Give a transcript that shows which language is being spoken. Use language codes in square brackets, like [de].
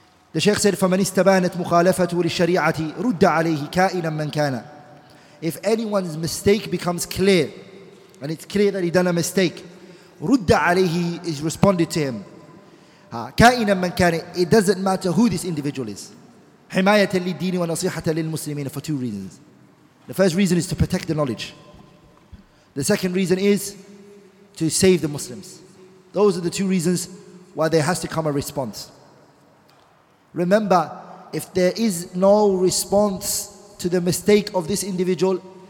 [en] The Shaykh said, [ar] فَمَنِ اسْتَبَانَتْ مُخَالَفَةُ لِلشَّرِيعَةِ رُدَّ عَلَيْهِ كَائِنًا مَنْ كَانَ. [en] If anyone's mistake becomes clear, and it's clear that he done a mistake, [ar] رُدَّ عَلَيْهِ [en] is responded to him. [ar] كَائِنًا مَنْ كَانَ, [en] it doesn't matter who this individual is. [ar] حماية للدين ونصيحة للمسلمين, [en] for 2 reasons. The first reason is to protect the knowledge. The second reason is to save the Muslims. Those are the 2 reasons why there has to come a response. Remember, if there is no response to the mistake of this individual,